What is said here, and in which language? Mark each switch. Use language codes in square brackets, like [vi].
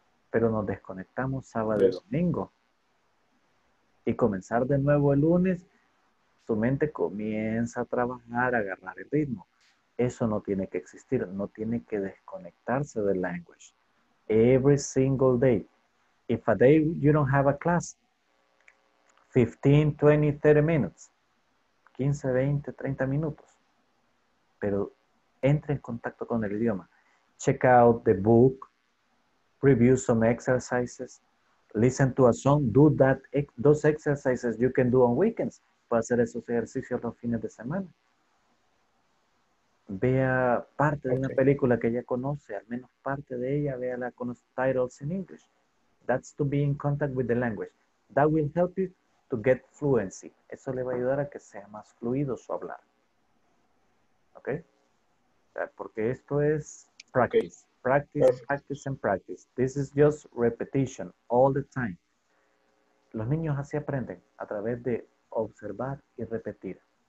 [es] Pero nos desconectamos sábado y domingo. Y comenzar de nuevo el lunes, su mente comienza a trabajar, a agarrar el ritmo. Eso no tiene que existir, no tiene que desconectarse del language. [en] Every single day. If a day you don't have a class, 15, 20, 30 minutes. [es] 15, 20, 30 minutos. Pero entre en contacto con el idioma. [en] Check out the book, review some exercises, listen to a song, do that, those exercises you can do on weekends. [es] Puede hacer esos ejercicios los fines de semana. Vea parte de una película que ya conoce, al menos parte de ella, véala con los [en] titles in English. That's to be in contact with the language. That will help you to get fluency. [es] Eso le va a ayudar a que sea más fluido su hablar. [en] ¿Ok? [es] Porque esto es [en] practice. Okay. Practice, perfect. Practice and practice. This is just repetition all the time. [es] Los niños así aprenden a través de observar y repetir.